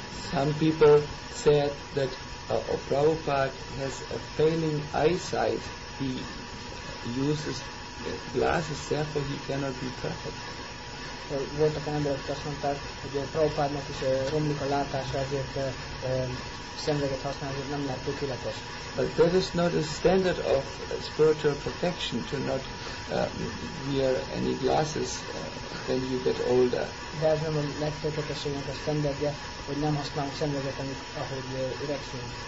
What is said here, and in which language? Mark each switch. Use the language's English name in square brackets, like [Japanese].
[English] some people said that Prabhupada has a failing eyesight. He uses glasses, therefore he cannot be perfect. [Hungarian] Voltak emberek, akik azt mondták, hogy Prabhupádnak is romlik a látása, ezért szemüveget használ, ezért nem lehet tökéletes. [English] But that is not a standard of spiritual protection to not wear any glasses when you get older. [Hungarian] De ez nem a legtökéletesebbnek a standardja, hogy nem használunk szemüveget, ahogy öregszünk.